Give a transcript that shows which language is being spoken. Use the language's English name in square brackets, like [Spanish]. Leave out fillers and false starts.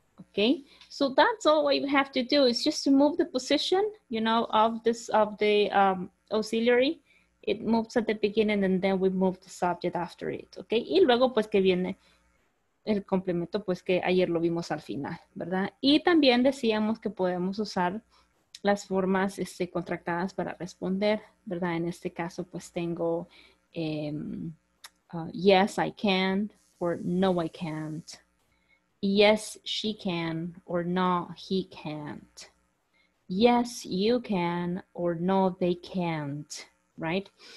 [English] Okay, so that's all what you have to do is just to move the position, you know, of the auxiliary. It moves at the beginning and then we move the subject after it. [Spanish] Okay, y luego pues que viene el complemento pues que ayer lo vimos al final, ¿verdad? Y también decíamos que podemos usar las formas contractadas para responder, ¿verdad? En este caso pues tengo [English] yes, I can, or no, I can't. Yes, she can, or no, he can't. Yes, you can, or no, they can't, right?